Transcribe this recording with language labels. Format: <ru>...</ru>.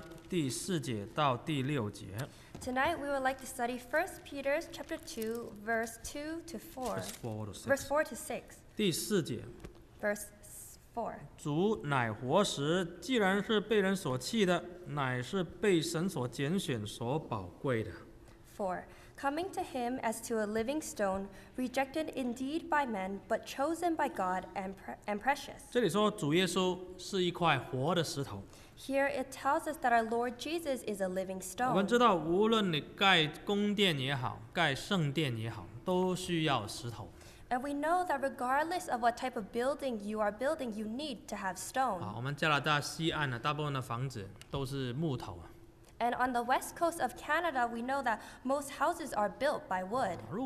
<zh>我们今天晚上学习彼得前书二章第四节到第六节。</zh> <en>Tonight, we would like to study 1 Peter chapter 2, verse 2 to 4. Verse 4 to 6.</en> <zh>第四节,</zh> <en>verse 4.</en> <zh>主乃活石,既然是被人所弃的, 乃是被神所拣选所宝贵的。</zh> <en>4. Coming to him as to a living stone, rejected indeed by men, but chosen by God and precious.</en> <zh>这里说主耶稣是一块活的石头。</zh> <en>Here it tells us that our Lord Jesus is a living stone.</en> <zh>我们知道无论你盖宫殿也好,盖圣殿也好,都需要石头。</zh> <en>And we know that regardless of what type of building you are building, you need to have stone.</en> <zh>我们加拿大西岸大部分的房子都是木头。</zh> <en>And on the west coast of Canada, we know that most houses are built by wood.</en>